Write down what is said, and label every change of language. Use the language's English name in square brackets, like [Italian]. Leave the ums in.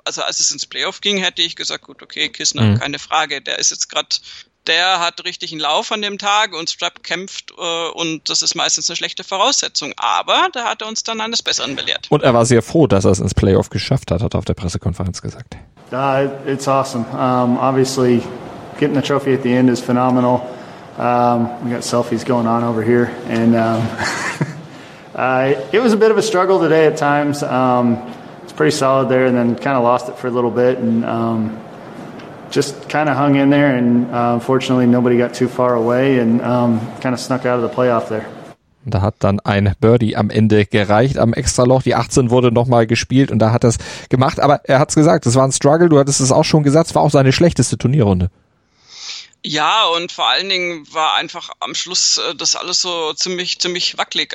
[German] Also als es ins Playoff ging, hätte ich gesagt, gut, okay, Kissner, mhm. keine Frage, der ist jetzt gerade, der hat richtig einen Lauf an dem Tag und Strap kämpft und das ist meistens eine schlechte Voraussetzung. Aber da hat er uns dann eines Besseren belehrt. Und er war sehr froh, dass er es ins Playoff geschafft hat, hat er auf der Pressekonferenz gesagt. [English] Uh, it's awesome. Um, obviously, getting the trophy at the end is phenomenal. Um, we got selfies going on over here, and um, uh, it was a bit of a struggle today at times. Um, it's pretty solid there, and then kind of lost it for a little bit, and um, just kind of in there. And uh, fortunately, nobody got too far away, and um, kind of snuck the playoff there. [German] Und da hat dann ein Birdie am Ende gereicht am Extraloch. Die 18 wurde nochmal gespielt und da hat er es gemacht. Aber er hat es gesagt, es war ein Struggle. Du hattest es auch schon gesagt, es war auch seine schlechteste Turnierrunde. Ja, und vor allen Dingen war einfach am Schluss äh, das alles so ziemlich, ziemlich wackelig.